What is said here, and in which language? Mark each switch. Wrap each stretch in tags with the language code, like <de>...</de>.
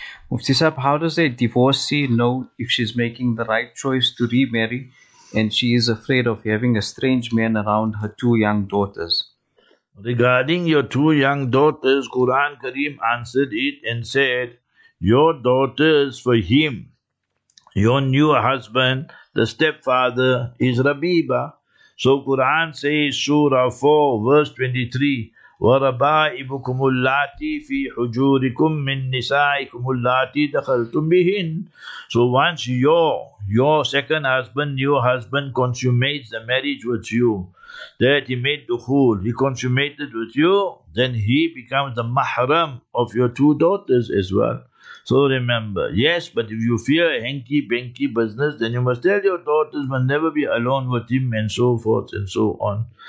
<en>Mufti Sahib, how does a divorcee know if she's making the right choice to remarry and she is afraid of having a strange man around her two young daughters? Regarding your two young daughters, Quran Kareem answered it and said, your daughters for him, your new husband, the stepfather, is Rabiba. So Quran says, Surah 4, verse 23,</en> <ar>وَرَبَائِبُكُمُ اللَّاتِي فِي حُجُورِكُم مِّن نِسَائِكُمُ اللَّاتِي دَخَلْتُم بِهِنْ.</ar> <en>So once your second husband, new husband, consummates the marriage with you, that he made dukhul, he consummated with you, then he becomes the mahram of your two daughters as well. So remember, yes, but if you fear a hanky-panky business, then you must tell your daughters must never be alone with him and so forth and so on.</en>